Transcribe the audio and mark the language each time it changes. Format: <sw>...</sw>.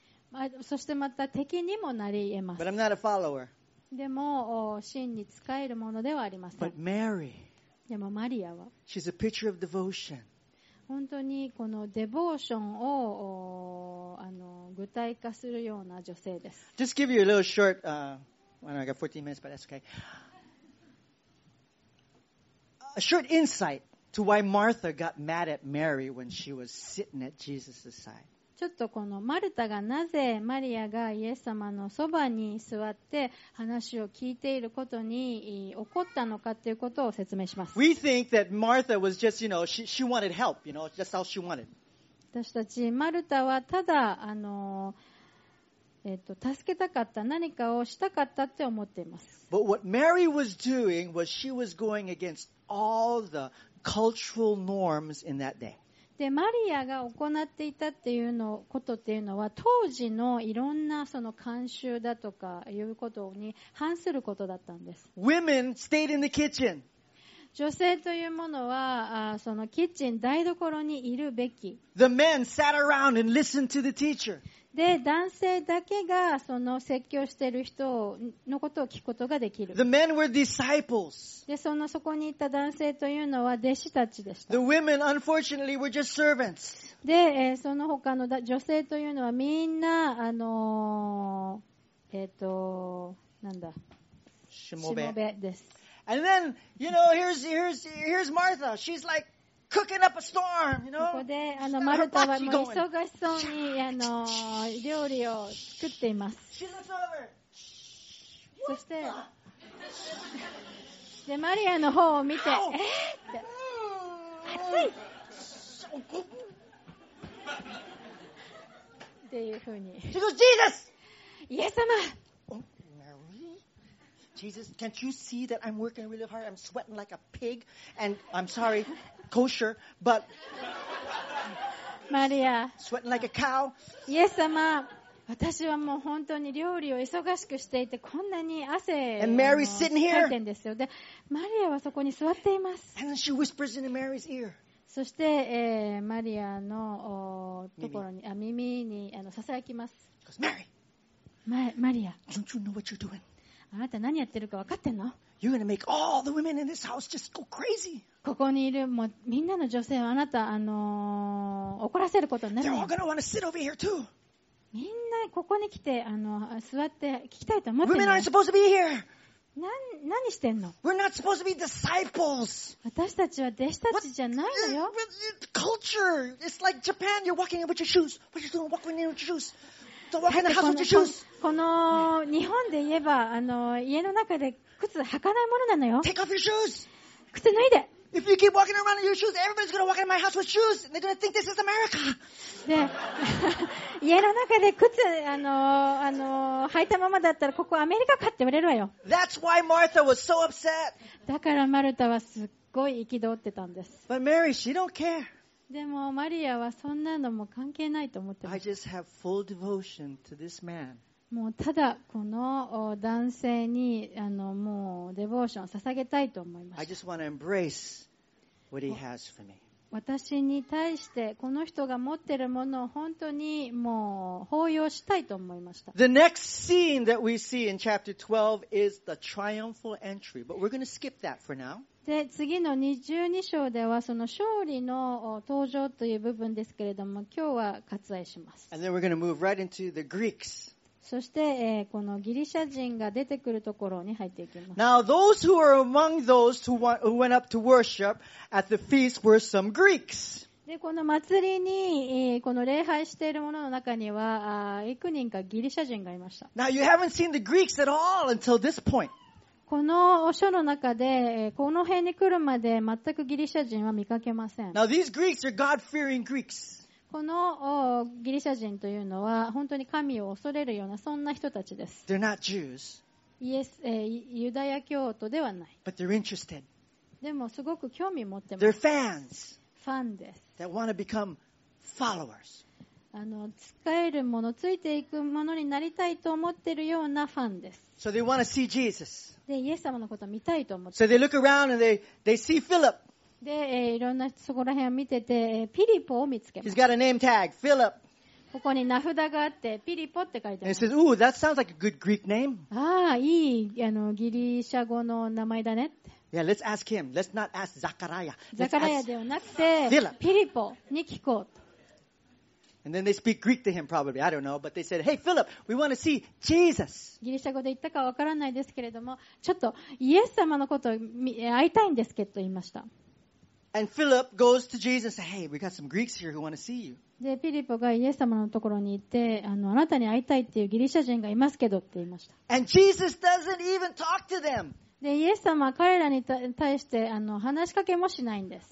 <ja>まあ、そしてまた敵にもなり得ます。</ja> <en>But I'm not a follower.</en> <ja>でも、真に仕えるものではありません。</ja> <en>But Mary,</en> <ja>でもマリアは、</ja> <en>she's a picture of devotion.</en> <ja>本当にこのデボーションを具体化するような女性です。</ja> <en>Just give you a little short, I got 14 minutes, but that's okay. A short insight to why Martha got mad at Mary when she was sitting at Jesus' side.</en> <ja>ちょっとこのマルタがなぜマリアがイエス様のそばに座って話を聞いていることに怒ったのかということを説明します。</ja> <en>We think that Martha was just, you know, she wanted help, you know, just all she wanted.</en> <ja>私たちマルタはただ助けたかった、何かをしたかったって思っています。</ja> <en>But what Mary was doing was she was going against all the cultural norms in that day.</en> <ja>でマリアが行っていたっていうのことっていうのは当時のいろんなその慣習だとかいうことに反することだったんです。</ja> <en>Women stayed in the kitchen.</en> <ja>女性というものはそのキッチン台所にいるべき。</ja> <en>The men sat around and listened to the teacher.</en> <ja>で男性だけがその説教している人のことを聞くことができる。</ja> <en>The men were disciples.</en> <ja>でそのそこにいた男性というのは弟子たちでした。</ja> <en>The women, unfortunately, were just servants.</en> <ja>で、その他の女性というのはみんな、なんだ、しもべ。しもべです。</ja> <en>And then, you know, here's Martha. She's like cooking up a storm, you know?</en> <ja>ここで、マルタはもう忙しそうに、料理を作っています。</ja> <en>She looks over.</en> <ja>そして、でマリアの方を見て、って熱いっていうふうに。</ja> <en>She goes, Jesus!</en> <ja>イエス様。</ja> <en>Oh, Mary? Jesus, can't you see that I'm working really hard? I'm sweating like a pig, and I'm sorry, kosher, but</en> <ja>マリア。</ja> <en>Sweating like a cow.</en> <ja>イエス様。私はもう本当に料理を忙しくしていてこんなに汗かいてるんですよ。で、マリアはそこに座っています。</ja> <en>And she whispers into Mary's ear.</en> <ja>そして、マリアのところに、耳にささやきます。</ja> <en>Mary!</en> <ja>マリア。</ja> <en>Don't you know what you're doing?</en> <ja>あなた何やってるか分かってんの?</ja> <en>You're gonna make all the women in this house just go crazy.</en> <ja>ここにいるもうみんなの女性はあなた、怒らせることになる。</ja> <en>They're all gonna wanna sit over here too.</en> <ja>みんなここに来て座って聞きたいと思って</ja> <en>ね。Women aren't supposed to be here.</en> <ja>何してんの?</ja> <en>We're not supposed to be disciples.</en> <ja>私たちは弟子たちじゃないのよ。</ja> <en>Culture. It's like Japan. You're walking in with your shoes. What are you doing? Walking in with your shoes. Don't walk in the house with your shoes.</en> <ja>この日本で言えば家の中で靴履かないものなのよ。</ja> <en>Take off your shoes.</en> <ja>靴脱いで。</ja> <en>If you keep walking around in your shoes, everybody's gonna walk in my house with shoes, and they're gonna think this is America.</en> <ja>で、家の中で靴履いたままだったらここアメリカかって言われるわよ。</ja> <en>That's why Martha was so upset.</en> <ja>だからマルタはすっごい憤ってたんです。</ja> <en>But Mary, she don't care.</en> <ja>でもマリアはそんなのも関係ないと思ってます。</ja> <en>I just have full devotion to this man.</en> <ja>もうただこの男性にもうデボーションを捧げたいと思います。</ja> <en>I just want to embrace what he has for me.</en> <ja>私に対してこの人が持っているものを本当にもう抱擁したいと思いました。</ja> <en>The next scene that we see in chapter 12 is the triumphal entry, but we're going to skip that for now.</en> <ja>で次の22章ではその勝利の登場という部分ですけれども、今日は割愛します。</ja> <en>And then we're going to move right into the Greeks.</en> <ja>そして、このギリシャ人が出てくるところに入っていきます。</ja> <en>Now, those who were among those who went up to worship at the feast were some Greeks.</en> <ja>で、この祭りに、この礼拝している者の中には、幾人かギリシャ人がいました。</ja> <en>Now, you haven't seen the Greeks at all until this point.</en> <ja>この書の中で、この辺に来るまで全くギリシャ人は見かけません。</ja> <en>Now, these Greeks are God-fearing Greeks.</en> <ja>このギリシャ人というのは本当に神を恐れるようなそんな人たちです。</ja> <en>They're not Jews.</en> <ja>Yes, ユダヤ教徒ではない。</ja> <en>But they're interested.</en> <ja>でもすごく興味を持ってます。</ja> <en>They're fans.</en> <ja>ファンです。</ja> <en>That want to become followers.</en> <ja>あの使えるもの、ついていくものになりたいと思っているようなファンです。</ja> <en>So they want to see Jesus.</en> <ja>で、イエス様のことを見たいと思って。</ja> <en>So they look around and they see Philip.</en> <ja>で、いろんなそこら辺を見てて、ピリポを見つけます。</ja> <en>He's got a name tag, Philip.</en> <ja>ここに名札があって、ピリポって書いてある。</ja> <en>And he says, "Ooh, that sounds like a good Greek name."</en> <ja>ああ、いいあのギリシャ語の名前だねって。</ja> <en>Yeah, let's ask him. Let's not ask Zachariah.</en> <ja>Zachariah ではなくて、ピリポに聞こうと。</ja> <en>And then they speak Greek to him, probably. I don't know. But they said, "Hey, Philip, we want to see Jesus."</en> <ja>ギリシャ語で言ったかわからないですけれども、ちょっとイエス様のことを会いたいんですけど言いました。</ja> <en>And Philip goes to Jesus and says, "Hey, we got some Greeks here who want to see you."</en> <ja>で、ピリポがイエス様のところに行って、あなたに会いたいっていうギリシャ人がいますけどって言いました。</ja> <en>And Jesus doesn't even talk to them.</en> <ja>で、イエス様は彼らに対して話しかけもしないんです。</ja>